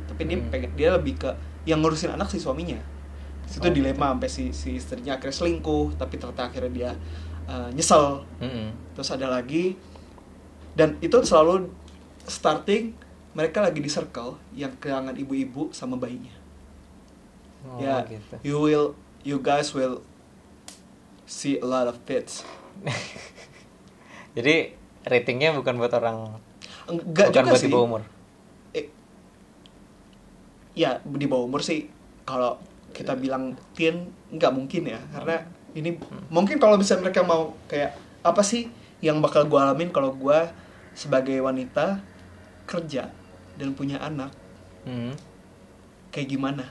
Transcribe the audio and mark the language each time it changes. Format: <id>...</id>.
<id>Tapi dia pengen, dia lebih ke yang ngurusin anak si suaminya. Terus itu dilema sampai si istrinya akhirnya selingkuh, tapi ternyata akhirnya dia nyesel. Terus ada lagi, dan itu selalu starting mereka lagi di circle yang kehilangan ibu-ibu sama bayinya. Oh, ya, gitu.</id> <en>you guys will see a lot of tits.</en> <id>Jadi ratingnya bukan buat orang. Enggak juga buat sih. Di bawah umur. Ya, di bawah umur sih. Kalau kita bilang teen, enggak mungkin ya. Karena ini mungkin kalau misalnya mereka mau kayak apa sih yang bakal gue alamin kalau gue sebagai wanita kerja dan punya anak. Kayak gimana?</id>